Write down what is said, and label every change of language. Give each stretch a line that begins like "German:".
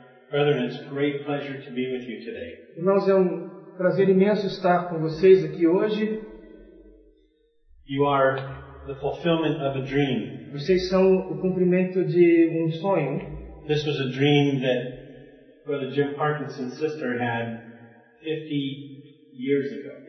English: Brethren, it's a great pleasure to be with you today.
Portuguese: Irmãos, é um prazer imenso estar com vocês aqui hoje.
English: You are the fulfillment of a dream.
Portuguese: Vocês são o cumprimento de sonho.
English: This was a dream that Brother Jim Parkinson's sister had 50 years ago.